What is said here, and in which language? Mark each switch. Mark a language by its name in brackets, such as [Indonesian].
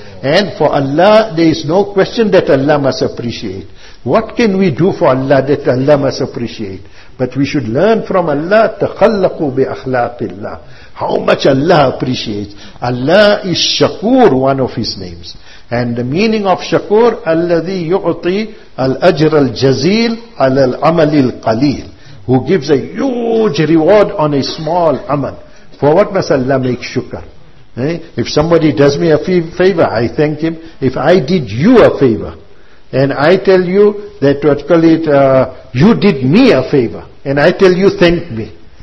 [English] And for Allah, there is no question that Allah must appreciate. What can we do for Allah that Allah must appreciate? But we should learn from Allah, [Arabic] تَخَلَّقُوا بِأَخْلَاقِ اللَّهِ. [English] How much Allah appreciates. Allah is Shakur, one of His names. And the meaning of Shakur, [Arabic] الَّذِي يُعْطِي الْأَجْرَ الْجَزِيلَ عَلَى الْعَمَلِ الْقَلِيلِ. [English] Who gives a huge reward on a small amal. For what must Allah make shukr? If somebody does me a favor, I thank him. If I did you a favor, and I tell you that what call it, you did me a favor, and I tell you thank me.